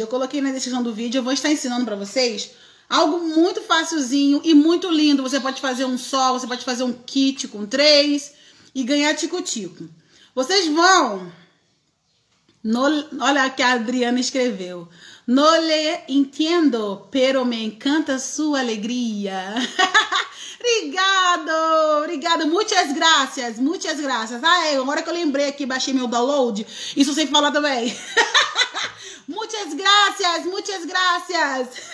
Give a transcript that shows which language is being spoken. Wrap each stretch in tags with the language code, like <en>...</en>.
<pt>Eu coloquei na descrição do vídeo, eu vou estar ensinando pra vocês algo muito facilzinho e muito lindo. Você pode fazer um só, você pode fazer um kit com três e ganhar tico-tico. Vocês vão... No, olha o que a Adriana escreveu.</pt> <es>No le entiendo, pero me encanta su alegría.</es> <pt>Obrigado, obrigado,</pt> <es>muchas gracias, muchas gracias.</es> <pt>Ah, agora que eu lembrei aqui, baixei meu download, isso sem falar também.</pt> <es>Muchas gracias, muchas gracias.</es>